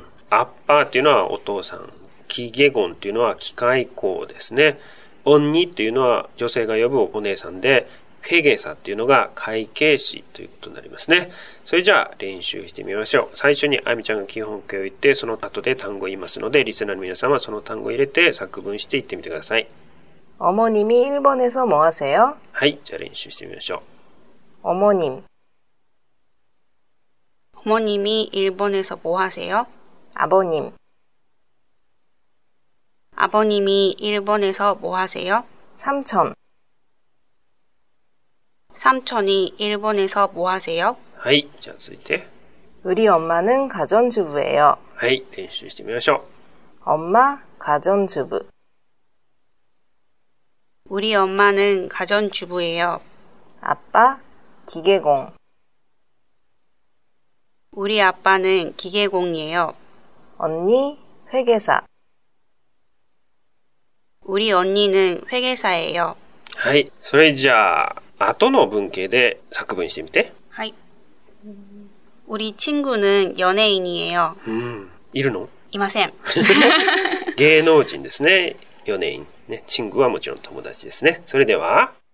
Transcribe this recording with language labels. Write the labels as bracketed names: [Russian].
[Japanese] 아빠っていうのはお父さん기계공っていうのは機械工ですね언니っていうのは女性が呼ぶお姉さんで회계사っていうのが会計士ということになりますねそれじゃあ練習してみましょう最初にあみちゃんが基本形を言ってその後で単語を言いますのでリスナーの皆さんはその単語を入れて作文して言ってみてください [Korean] 어머님이일본에서뭐하세요 [Japanese] はい、じゃあ練習してみましょう。 [Korean] 어머님 어머님이일본에서뭐하세요 아버님 아버님이일본에서뭐하세요 삼촌 삼촌이일본에서뭐하세요 [Japanese] はい、じゃあ続いて。 [Korean] 우리엄마는가전주부예요。 [Japanese] はい、練習してみましょう。 [Korean] 엄마가전주부 우리엄마는가전주부예요 아빠기계공 우리아빠는기계공이에요 언니회계사 우리언니는회계사예요 [Japanese] はいそれじゃあ後の文型で作文してみて [Korean] はい우리친구는연예인이에요 [Japanese] いるのいません芸能人ですね연예인ね、チングはもちろん友達ですね。それでは、